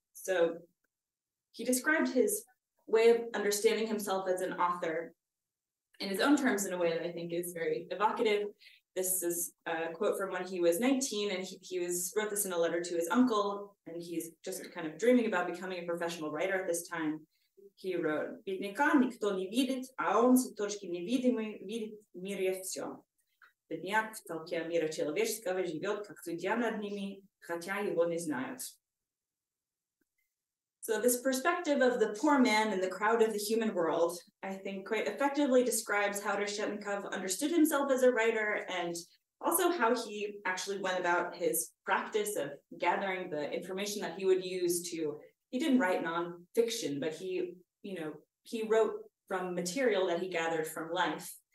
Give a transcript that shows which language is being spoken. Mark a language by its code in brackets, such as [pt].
[en] So he described his way of understanding himself as an author in his own terms in a way that I think is very evocative. This is a quote from when he was 19, and he wrote this in a letter to his uncle, and he's just kind of dreaming about becoming a professional writer at this time. He wrote, [ru] "Бедняка никто не видит, а он с точки невидимой видит мир и все. Бедняк в толке мира человеческого живет, как судья над ними, хотя его не знают." [en] So this perspective of the poor man in the crowd of the human world, I think, quite effectively describes how Reshetnikov understood himself as a writer, and also how he actually went about his practice of gathering the information that he would use to, he didn't write nonfiction, but he wrote from material that he gathered from life.